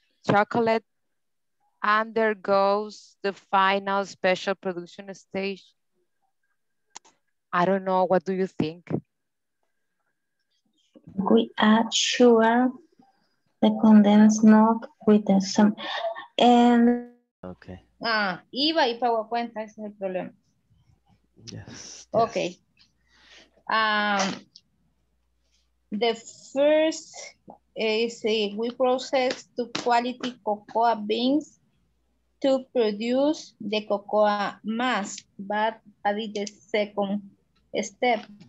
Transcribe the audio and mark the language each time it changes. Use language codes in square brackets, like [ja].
[en] Chocolate undergoes the final special production stage. I don't know, what do you think? We add sugar, the condensed milk with some. And okay. [es] Ah, IVA y pago cuenta, ese es el problema. Yes. Okay. [en] The first is we process two quality cocoa beans to produce the cocoa mass, but that is the second step.